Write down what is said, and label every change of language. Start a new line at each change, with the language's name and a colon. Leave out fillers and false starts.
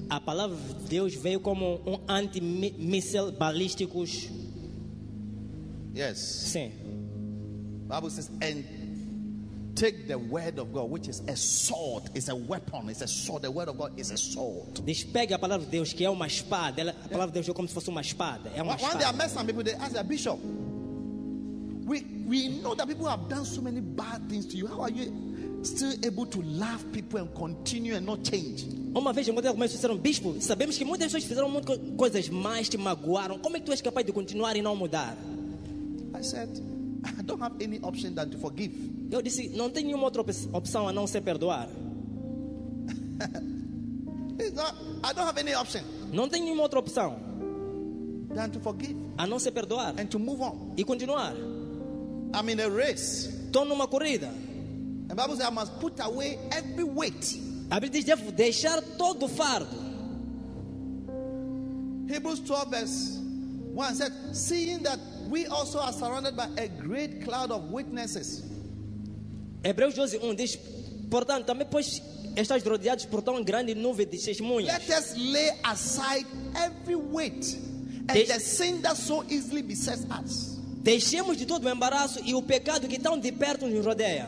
Portuguese: A palavra de Deus veio como anti-missile balístico.
English: Yes.
Portuguese: Sim.
English: Bible says and take the word of God, which is a sword. It's a weapon. It's a sword. The word of God is a sword.
Portuguese: Despegue a palavra de Deus, que é uma espada. A palavra de Deus é como se fosse uma espada. É uma espada.
English: When they are messing people, they ask the bishop, we know that people have done so many bad things to you. How are you still able to love people and continue and not change?
Portuguese: Uma vez, quando eu comecei a ser um bispo, sabemos que muitas pessoas fizeram muitas coisas mais, te magoaram. Como é que tu és capaz de continuar e não mudar?
English: I said, I don't have any option than to forgive.
Portuguese: Eu disse, não tenho nenhuma outra opção a não ser perdoar.
English: I don't have any option.
Portuguese: Não tenho nenhuma outra opção.
English: Than to forgive.
Portuguese: A não ser perdoar.
English: And to move on.
Portuguese: E continuar.
English: I'm in a race.
Portuguese: Estou numa corrida.
English: The Bible says I must put away every weight.
Portuguese: A Bíblia diz, devo deixar todo o fardo.
English: Hebrews 12 verse 1 said, seeing that we also are surrounded by a great cloud of witnesses.
Portuguese: Hebreus 12, 1 diz, portanto, também pois estás rodeados por tão grande nuvem de testemunhas.
English: Let us lay aside every weight and the sin that so easily besets us.
Portuguese: Deixemos de todo o embaraço e o pecado que tão de perto nos rodeia.